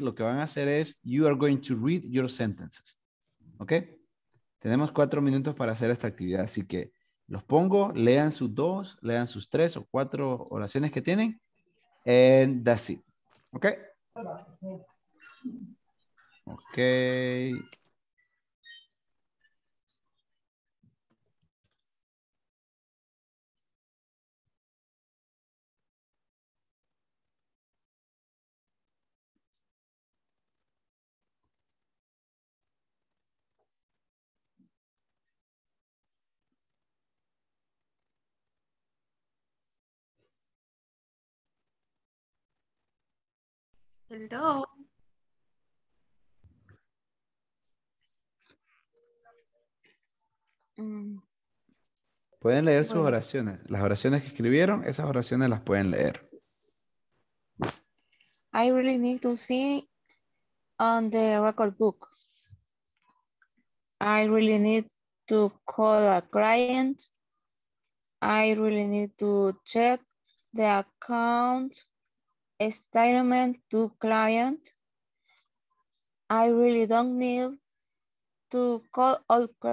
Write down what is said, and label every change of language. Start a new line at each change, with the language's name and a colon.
Spanish: Lo que van a hacer es,
English: you are going to read your sentences.
Spanish: ¿Ok? Tenemos 4 minutos para hacer esta actividad. Así que los pongo, lean sus 2, lean sus 3 o 4 oraciones que tienen.
English: And that's it. ¿Ok? Ok. Hello.
Spanish: Pueden leer sus oraciones. Las oraciones que escribieron, esas oraciones las pueden leer.
English: I really need to see on the record book. I really need to call a client. I really need to check the account. A statement to client. I really don't need to call all.